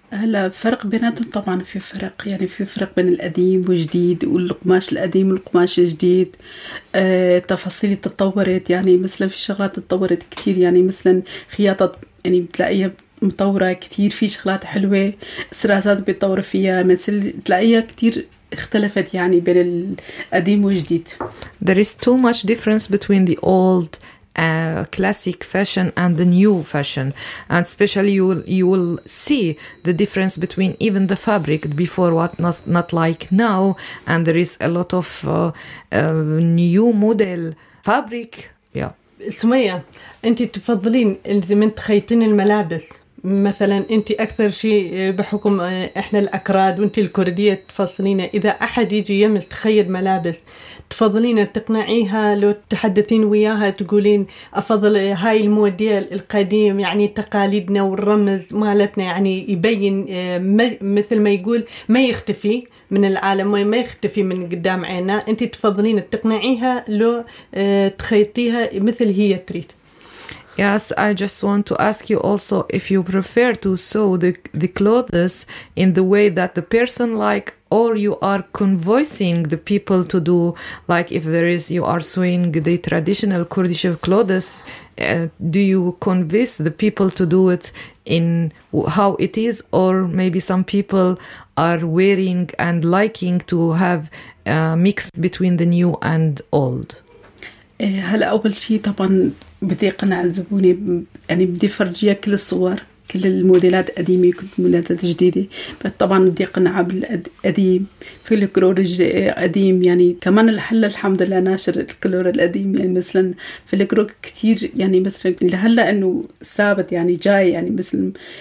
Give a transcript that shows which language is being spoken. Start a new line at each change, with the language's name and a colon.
Arabic: هلا فرق بيناتهم طبعا في فرق يعني في فرق بين القديم والجديد والقماش القديم والقماش الجديد تفاصيل تطورت يعني مثلا في شغلات تطورت كتير يعني مثلا خياطة يعني بتلاقيها مطورة كتير في شغلات حلوة سراسات بتطور فيها مثل تلاقيها كتير اختلفت يعني بين القديم والجديد.
English: There is too much difference between the old classic fashion and the new fashion, and especially you will see the difference between even the fabric before what not like now, and there is a lot of new model fabric. Yeah.
Arabic: سمية, أنت تفضلين من تخيطين الملابس؟ مثلا انت اكثر شيء بحكم احنا الاكراد وانت الكرديه تفضلين اذا احد يجي يمس تخيط ملابس تفضلين تقنعيها لو تحدثين وياها تقولين افضل هاي الموديل القديم يعني تقاليدنا والرمز مالتنا يعني يبين مثل ما يقول ما يختفي من العالم ما يختفي من قدام عينا انت تفضلين تقنعيها لو تخيطيها مثل هي تريد.
English: Yes, I just want to ask you also if you prefer to sew the clothes in the way that the person like, or you are convincing the people to do, like if there is, you are sewing the traditional Kurdish clothes, do you convince the people to do it in how it is, or maybe some people are wearing and liking to have a mix between the new and old?
Arabic: هلا أول شيء طبعاً بدي أقنع زبوني يعني بدي فرجيه كل الصور كل الموديلات القديمة كل الموديلات الجديدة بس طبعاً بدي أقنعه بالقديم في الكلور القديم يعني كمان الحل الحمد لله ناشر الكلور القديم يعني مثلاً في الكلور كتير يعني مثلاً لهلا إنه ثابت يعني جاي يعني مثلاً